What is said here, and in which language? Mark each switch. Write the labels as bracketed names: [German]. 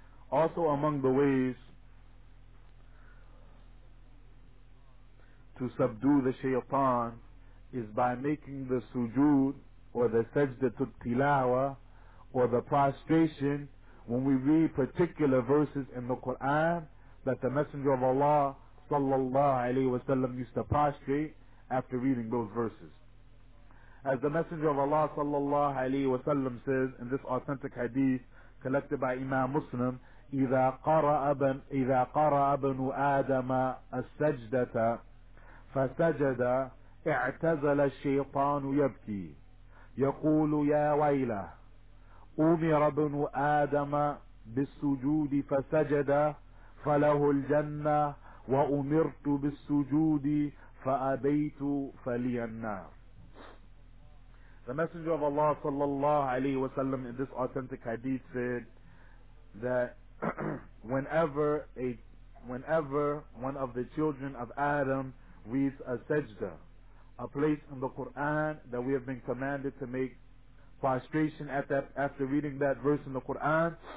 [English] Also among the ways to subdue the shaytan is by making the sujood or the sajdatul tilawa or the prostration when we read particular verses in the Quran that the Messenger of Allah sallallahu alayhi wa sallam used to prostrate after reading those verses. As the Messenger of Allah sallallahu alayhi wa sallam says in this authentic hadith collected by Imam Muslim, [Arabic] إِذَا قَرَأَ بَنُ آدَمَ السَّجْدَةَ فَسَجَدَ اِعْتَزَلَ الشَّيْطَانُ يَبْكِي يَقُولُ يَا وَيْلَهُ أُمِرَ بْنُ آدَمَ بِالسُّجُودِ فَسَجَدَ فَلَهُ الْجَنَّةُ وَأُمِرْتُ بِالسُّجُودِ فَأَبَيْتُ فَلِيَ النَّارِ. [English] The Messenger of Allah sallallahu alayhi wa sallam in this authentic hadith said that whenever one of the children of Adam reads a sajda, a place in the Quran that we have been commanded to make prostration at that, after reading that verse in the Quran,